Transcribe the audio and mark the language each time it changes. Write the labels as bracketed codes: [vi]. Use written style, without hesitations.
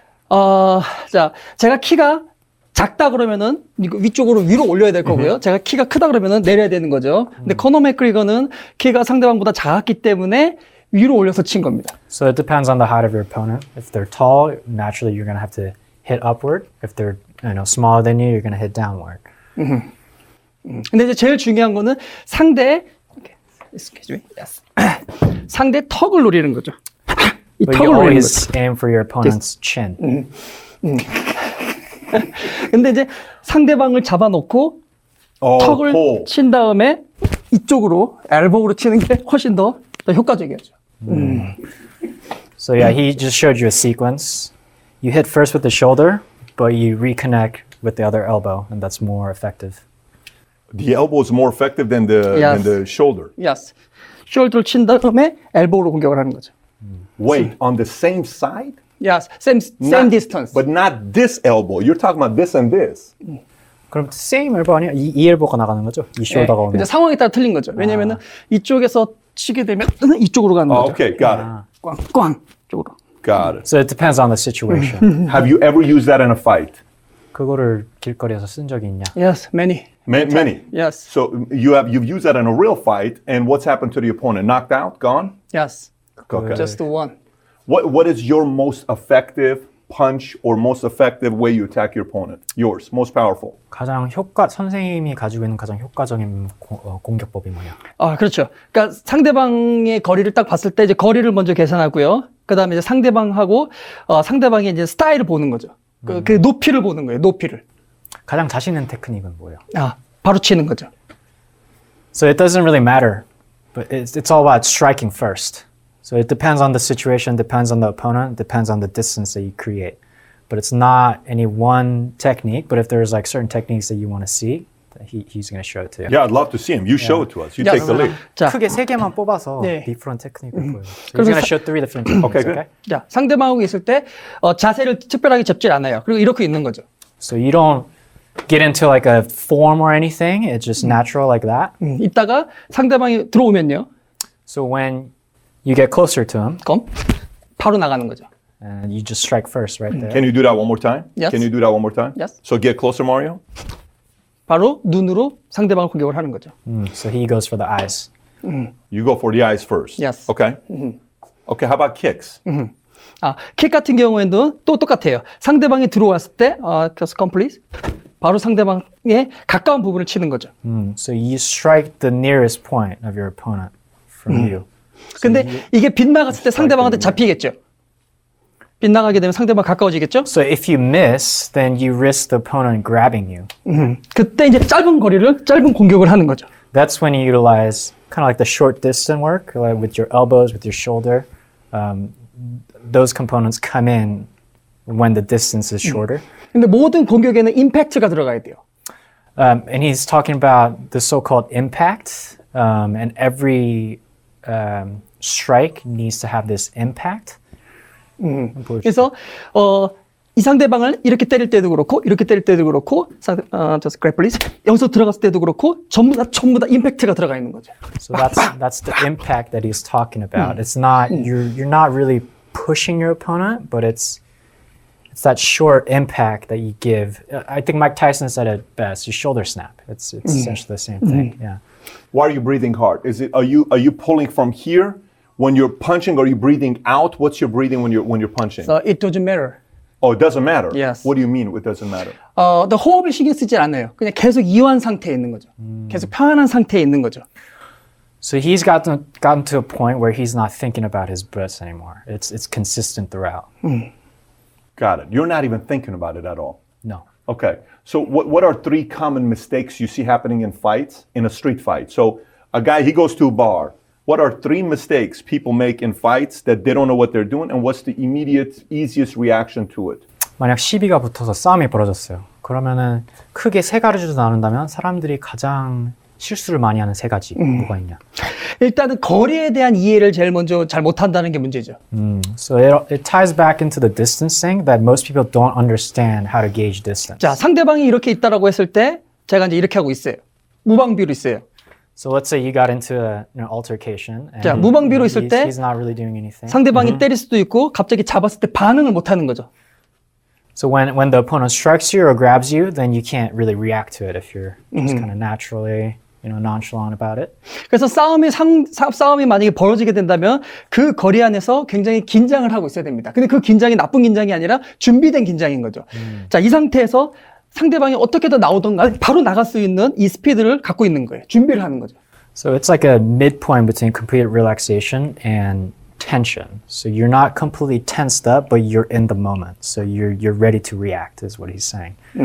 [ko] 자, 제가 키가 작다 그러면은 위쪽으로 위로 올려야 될 거고요. 제가 키가 크다 그러면은 내려야 되는 거죠. 근데 코너 맥그리거는 키가 상대방보다 작았기 때문에 위로 올려서 친 겁니다. [en] So it depends on the height of your opponent. If they're tall, naturally you're going to have to hit upward. If they're, you know, smaller than you, you're going to hit downward. [ko] 근데 이제 제일 중요한 거는 상대 [en] Excuse me. Yes. [ko] 상대 턱을 노리는 거죠. [en] But you always aim for your opponent's chin. [ko] 근데 이제 상대방을 잡아놓고 턱을 pull. 친 다음에 이쪽으로 엘보우로 치는 게 훨씬 더 효과적이었죠. [en] So yeah, he just showed you a sequence. You hit first with the shoulder, but you reconnect with the other elbow, and that's more effective. The elbow is more effective than than the shoulder. Yes. [ko] 숄더를 친 다음에 엘보우로 공격을 하는 거죠. [en] Wait, on the same side? Yes, same distance. But not this elbow. You're talking about this and this. [ko] 그럼 [en] same elbow [ko] 아니야? 이 elbow가 나가는 거죠? 이 shoulder가 오면. 근데 상황에 따라 틀린 거죠. 왜냐면은 이쪽에서 치게 되면 이쪽으로 가는 거죠. [en] Okay, got it. [ko] 꽝꽝 쪽으로. [en] Got it. So it depends on the situation. Have you ever used that in a fight? [ko] 그거를 길거리에서 쓴 적이 있냐? [en] Yes, many. Many? Yes. So you've used that in a real fight, and what's happened to the opponent? Knocked out? Gone? Yes. Okay. Just the one. What is your most effective punch or most effective way you attack your opponent? Yours, most powerful. [ko] 가장 효과 선생님이 가지고 있는 가장 효과적인 공격법이 뭐냐? 아 그렇죠. 그러니까 상대방의 거리를 딱 봤을 때 이제 거리를 먼저 계산하고요. 그 다음에 이제 상대방하고 상대방의 이제 스타일을 보는 거죠. 그 높이를 보는 거예요. 높이를. 가장 자신 있는 테크닉은 뭐예요? 아 바로 치는 거죠. [en] So it doesn't really matter, but it's all about striking first. So it depends on the situation, depends on the opponent, depends on the distance that you create. But it's not any one technique, but if there's like certain techniques that you want to see, he's going to show it to you. Yeah, I'd love to see him. You show it to us. You take the lead. [ko] 자, 크게 세 개만 뽑아서 [en] different technique [ko] 를 보여요. [en] So he's going to show three different techniques, okay? Good. [ko] 자, 상대방하고 있을 때 자세를 특별하게 잡지 않아요. 그리고 이렇게 있는 거죠. [en] So you don't get into like a form or anything. It's just natural like that. [ko] 이따가 상대방이 들어오면요. [en] So when you get closer to him. [ko] 그럼 바로 나가는 거죠. [en] And you just strike first right there. Can you do that one more time? Yes. Can you do that one more time? Yes. So get closer, Mario. [ko] 바로 눈으로 상대방을 공격을 하는 거죠. [en] So he goes for the eyes. You go for the eyes first. Yes. Okay. Mm-hmm. Okay, how about kicks? [ko] Mm-hmm. 아, 킥 같은 경우에도 또 똑같아요. 상대방이 들어왔을 때, [en] just come please. [ko] 바로 상대방의 가까운 부분을 치는 거죠. [en] So you strike the nearest point of your opponent from you. [ko] 근데 [en] so you, [ko] 이게 빗나갔을 때 상대방한테 잡히겠죠? 빗나가게 되면 상대방 가까워지겠죠? [en] So if you miss, then you risk the opponent grabbing you. [ko] 그때 이제 짧은 거리를, 짧은 공격을 하는 거죠. [en] That's when you utilize kind of like the short distance work, like with your elbows, with your shoulder. Those components come in when the distance is shorter. [ko] 근데 모든 공격에는 임팩트가 들어가야 돼요. [en] And he's talking about the so-called impact, and every strike needs to have this impact. [ko] 그래서 이 상대방을 이렇게 때릴 때도 그렇고 이렇게 때릴 때도 그렇고 [en] just grab please. [ko] 여기서 들어갔을 때도 그렇고 전부 다 임팩트가 들어가 있는 거죠. [en] So that's the impact that he's talking about. It's not you're not really pushing your opponent, but it's that short impact that you give. I think Mike Tyson said it best, your shoulder snap. It's essentially the same thing. Yeah. Why are you breathing hard? Are you pulling from here? when you're punching, are you breathing out? What's your breathing when you're punching? So it doesn't matter. Oh, it doesn't matter? Yes. What do you mean it doesn't matter? [ko] 호흡을 신경 쓰지 않아요. 그냥 계속 이완 상태에 있는 거죠. 계속 편안한 상태에 있는 거죠. [en] So he's gotten to a point where he's not thinking about his breaths anymore. It's consistent throughout. Got it. You're not even thinking about it at all? No. Okay. So what are three common mistakes you see happening in fights, in a street fight? So a guy, he goes to a bar. What are three mistakes people make in fights that they don't know what they're doing? And what's the immediate, easiest reaction to it? [ko] 만약 시비가 붙어서 싸움이 벌어졌어요. 그러면은 크게 세 가지로 나눈다면 사람들이 가장 실수를 많이 하는 세 가지 뭐가 있냐? 일단은 거리에 대한 이해를 제일 먼저 잘 못한다는 게 문제죠. [en] So it ties back into the distance thing that most people don't understand how to gauge distance. [ko] 자, 상대방이 이렇게 있다라고 했을 때 제가 이제 이렇게 하고 있어요. 무방비로 있어요. [en] So let's say you got into an altercation. And [ko] 자, 무방비로 있을 때 [en] he's not really doing anything. [ko] 상대방이 때릴 수도 있고 갑자기 잡았을 때 반응을 못하는 거죠. [en] So when the opponent strikes you or grabs you, then you can't really react to it if you're just kind of naturally, you know, nonchalant about it. [ko] 그래서 싸움이 만약에 벌어지게 된다면 그 거리 안에서 굉장히 긴장을 하고 있어야 됩니다. 근데 그 긴장이 나쁜 긴장이 아니라 준비된 긴장인 거죠. 자, 이 상태에서 상대방이 어떻게든 나오던가 바로 나갈 수 있는 이 스피드를 갖고 있는 거예요. 준비를 하는 거죠. [en] So it's like a midpoint between complete relaxation and tension. So you're not completely tensed up, but you're in the moment. So you're ready to react is what he's saying.